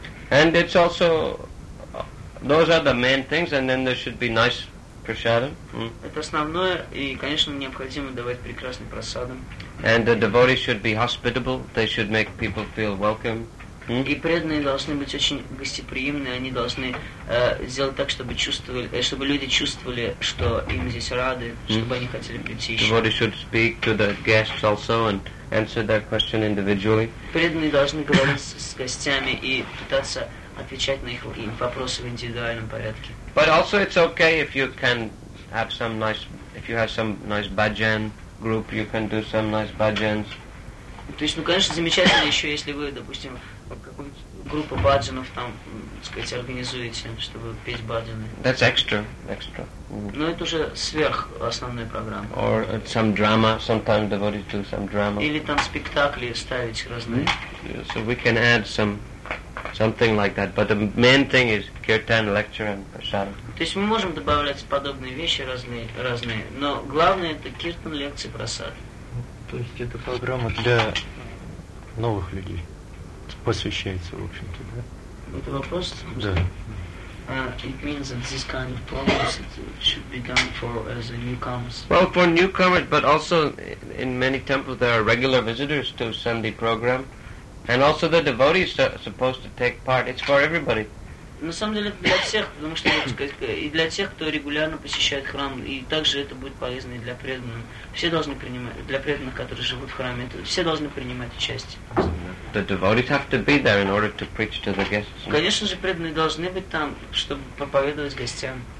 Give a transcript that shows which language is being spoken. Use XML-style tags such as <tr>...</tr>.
<en>And it's also, those are the main things, and then there should be nice prasadam.</en> <ru>Это основное, и, конечно, необходимо давать прекрасный прасадам.</ru> <en>And the devotees should be hospitable. They should make people feel welcome.</en> <ru>И преданные должны быть очень гостеприимны. Они должны сделать так, чтобы люди чувствовали, что им здесь рады, чтобы они хотели прийти еще.</ru> <en>Devotees should speak to the guests also and answer their question individually.</en> <ru>Преданные должны говорить с гостями и пытаться отвечать на их вопросы в индивидуальном порядке.</ru> <en>But also it's okay if you can have some nice, if you have some nice bhajan group, you can do some nice bhajans.</en> <ru>То есть, ну, конечно, замечательно еще, если вы, допустим, какую-нибудь группу бхаджанов там, так сказать, организуете, чтобы петь бхаджаны.</ru> <en>That's extra.</en> <ru>Ну, это уже сверх основной программы.</ru> <en>Or some drama, sometimes devoted to some drama.</en> <ru>Или там спектакли ставить разные.</ru> <en>So we can add something like that, but the main thing is kirtan, lecture, and prasadam.</en> <ru>То есть мы можем добавлять подобные вещи разные, но главное это киртан, лекции, прасад. То есть это программа для новых людей. посвящается, в общем-то, да? Это вопрос? Да.</ru> <en>It means that this kind of progress should be done for as a newcomers. Well, for newcomers, but also in many temples there are regular visitors to Sunday program, and also the devotees are supposed to take part. It's for everybody.</en> <ru>На самом деле для всех, потому что и для тех, кто регулярно посещает храм, и также это будет полезно и для преданных. Все должны принимать для преданных, которые живут в храме, все должны принимать участие.</ru> <en>The devotees have to be there in order to preach to the guests.</en> <ru>Конечно же, преданные должны быть там, чтобы проповедовать гостям.</ru>